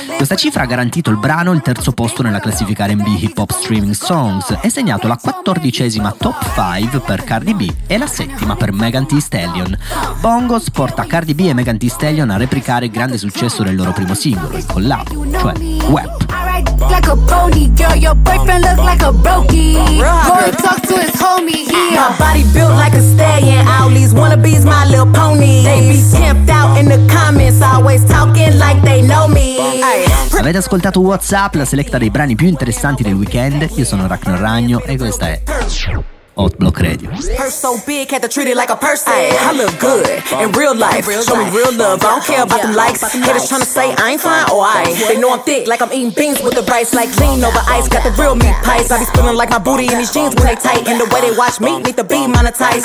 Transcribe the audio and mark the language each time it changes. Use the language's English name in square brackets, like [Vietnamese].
[Italian] Questa cifra ha garantito il brano il terzo posto nella classifica R&B Hip Hop Streaming Songs e segnato la 14esima top 5 per Cardi B e la 7ª per Megan Thee Stallion. Bongos porta Cardi B e Megan Thee Stallion a replicare il grande successo del loro primo singolo, il collab, cioè WAP. [English] Like a pony, girl, your boyfriend look like a brokey. Boy, talk to his homie, here. Yeah. My body built like a stallion. All these wannabes, my little ponies. They be camped out in the comments, always talking like they know me. [Italian] Avete ascoltato WhatsApp, la selecta dei brani più interessanti del weekend. Io sono Ragnar Ragno e questa è Hot Block Radio. [English] Purse so big, had to treat it like a person. I look good in real life. Show me real love. I don't care about the likes. Haters tryna say I ain't fine or I. They know I'm thick, like I'm eating beans with the rice. Like lean over ice, got the real meat pies. I be spilling like my booty in these jeans when they tight. And the way they watch me, need to be monetized.